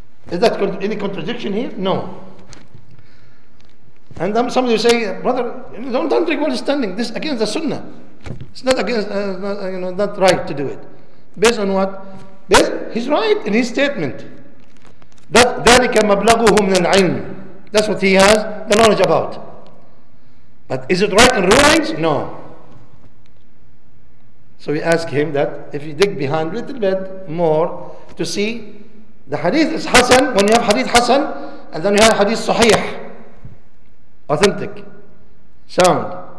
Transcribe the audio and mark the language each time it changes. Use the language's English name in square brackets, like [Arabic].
[English] Is that any contradiction here? No. And somebody will say, brother, don't drink while he's standing. This is against the Sunnah. It's not against, not right to do it. Based on what? He's right in his statement. [Arabic] That ذَلِكَ مَبْلَغُهُ مِنَ الْعِلْمِ. [English] That's what he has the knowledge about. But is it right in rulings? No. So we ask him that if you dig behind a little bit more to see the hadith is Hasan, when you have hadith Hasan and then you have hadith Sahih, authentic, sound.